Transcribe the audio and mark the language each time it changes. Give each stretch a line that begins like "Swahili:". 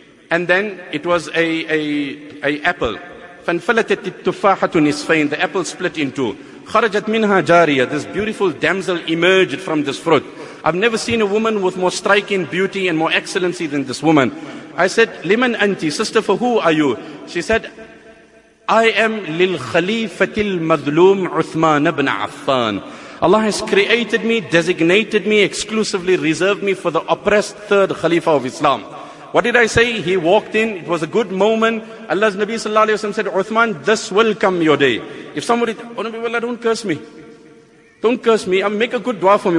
English: And then it was a apple.
Arabic: فَانْفَلَتَتِ التُّفَاحَةُ نِصْفَيْنِ.
English: The apple split in two.
Arabic: خَرَجَتْ مِنْهَا جَارِيَةٌ.
English: This beautiful damsel emerged from this fruit. I've never seen a woman with more striking beauty and more excellency than this woman. I said,
Arabic: لِمَنْ أَنْتِ.
English: Sister, for who are you? She said, I am
Arabic: لِلْخَلِيفَةِ الْمَظْلُومِ عُثْمَانَ بْنَ عَفَّانَ.
English: Allah has created me, designated me, exclusively reserved me for the oppressed third Khalifa of Islam. What did I say? He walked in. It was a good moment. Allah's Nabi sallallahu alayhi wa sallam said, Uthman, this will come your day. If somebody, oh Nabi Allah, don't curse me. Don't curse me. Make a good dua for me.